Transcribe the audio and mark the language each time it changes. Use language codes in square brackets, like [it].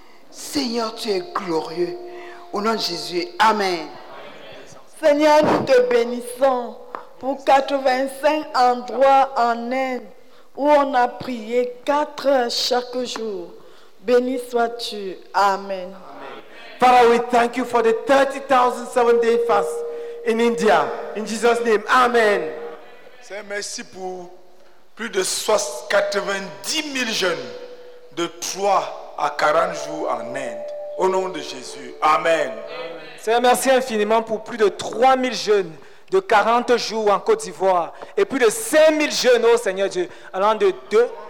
[fr] Seigneur, tu es glorieux. Au nom de Jésus, amen. Seigneur, nous te bénissons pour 85 endroits en Inde où on a prié 4 heures chaque jour. Béni sois-tu. Amen. [en] Father, we thank you for the 30,000 7-day fast in India. In Jesus' name, amen. [fr] Seigneur, merci pour plus de 90 000 jeunes de 3 à 40 jours en Inde. Au nom de Jésus, amen. Seigneur, merci infiniment pour plus de 3 000 jeunes de 40 jours en Côte d'Ivoire et plus de 5 000 jeunes, oh Seigneur Dieu, allant de 2...